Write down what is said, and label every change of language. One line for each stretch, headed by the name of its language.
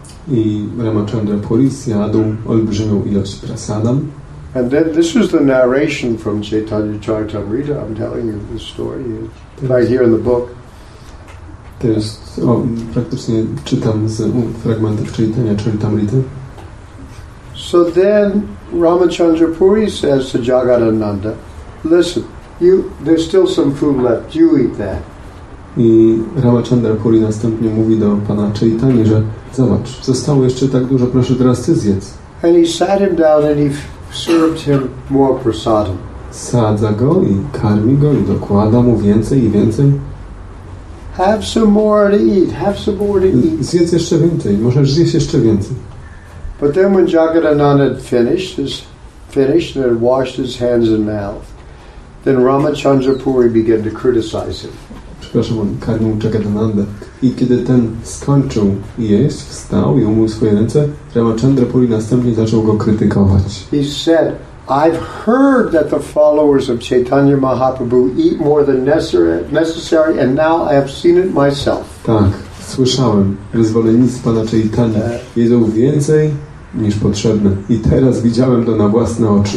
Polish: I Ramachandra Puri zjadł olbrzymią ilość prasadam.
English: And then this is the narration from Chaitanya Charitamrita. I'm telling you this story right here in the book.
Polish: To jest, praktycznie czytam z fragmentów Chaitanya Charitamrita.
English: So then Ramachandra Puri says to Jagadananda, listen, You, there's still some food left. You eat that.
Polish: I Ramachandra Puri następnie mówi do pana Chaitany, że zobacz, zostało jeszcze tak dużo, proszę teraz ty zjedz.
English: And he sat him down and he served him more prasadam.
Polish: Sadza go i karmi go i dokłada mu więcej i więcej.
English: Have some more to eat. Have some more to eat.
Polish: Zjedz jeszcze więcej. Możesz zjeść jeszcze więcej.
English: But then when Jagadananda had finished and washed his hands and mouth, then Ramachandra Puri began to criticize him.
Polish: Przepraszam, on karmił Jagadananda. I kiedy ten skończył jeść, wstał i umył swoje ręce, Ramachandra Puri następnie zaczął go krytykować.
English: He said, I've heard that the followers of Chaitanya Mahaprabhu eat more than necessary, and now I have seen it myself.
Polish: Tak, słyszałem, że zwolennicy pana Chaitanya jedzą więcej niż potrzebne. I teraz widziałem to na własne oczy.